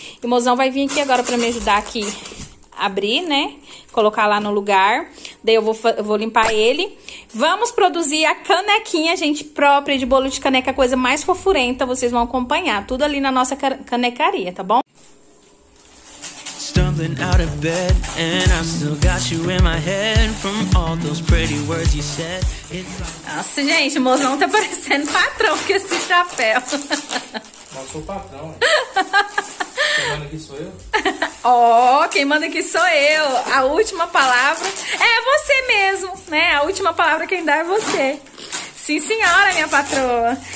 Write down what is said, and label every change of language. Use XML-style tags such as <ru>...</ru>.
<pt>E o mozão vai vir aqui agora pra me ajudar aqui. Abrir, né? Colocar lá no lugar. Daí eu vou limpar ele. Vamos produzir a canequinha, gente, própria de bolo de caneca. Coisa mais fofurenta. Vocês vão acompanhar tudo ali na nossa canecaria, tá bom?</pt> <en>Stumbling out of bed and I still got you in my head from all those pretty words you said.</en> <pt>Nossa, gente, o mozão tá parecendo patrão com esse chapéu. Mas sou patrão. Tá vendo que sou eu? Ó, quem manda aqui sou eu. A última palavra é você mesmo, né? A última palavra quem dá é você. Sim, senhora, minha patroa.</pt>